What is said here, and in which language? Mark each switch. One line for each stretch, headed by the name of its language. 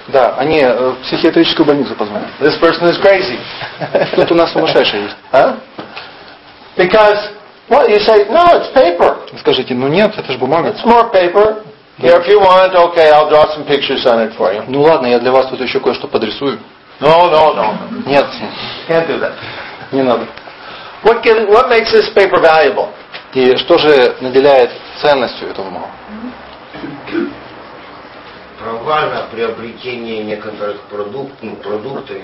Russian: Да, они в психиатрическую больницу позвонят.
English: This person is crazy.
Russian: Тут у нас сумасшедший есть.
English: Because what you say? No, it's paper.
Russian: Скажите, ну нет, это же бумага.
English: It's more paper. Here, if you want, okay, I'll draw some pictures on it for you.
Russian: Ну ладно, я для вас тут еще кое-что подрисую.
English: No.
Russian: Нет.
English: Can't do that.
Russian: Не надо.
English: What makes this paper valuable?
Russian: И что же наделяет ценностью эту бумагу? Права на приобретение некоторых продуктов, ну, продуктов.